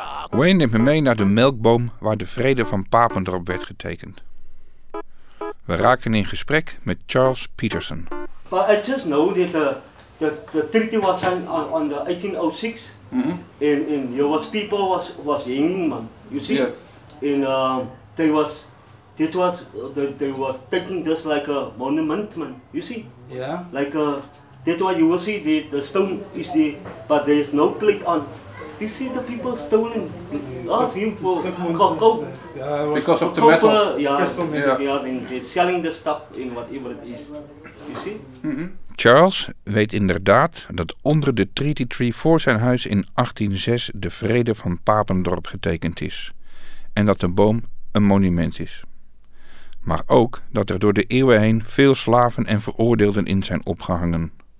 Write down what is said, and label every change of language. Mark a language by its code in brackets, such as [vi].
[nl] Wayne neemt me mee naar de melkboom waar de vrede van Papendorp werd getekend. We raken in gesprek met Charles Peterson. [en] But I just know that the treaty was signed on the 1806, mm-hmm. and there was people was hanging, man. You see, yes. And they were taking this like a monument, man. You see, yeah, like a. That's why you will see the stone is there, but there's no click on. Do you see the people stoning? Ask him for coke. Because of the metal. Copper, they're selling the stuff in whatever it is. You see? Mm-hmm. [nl] Charles weet inderdaad dat onder de Treaty Tree voor zijn huis in 1806 de Vrede van Papendorp getekend is. En dat de boom een monument is. maar ook dat er door de eeuwen heen veel slaven en veroordeelden in zijn opgehangen.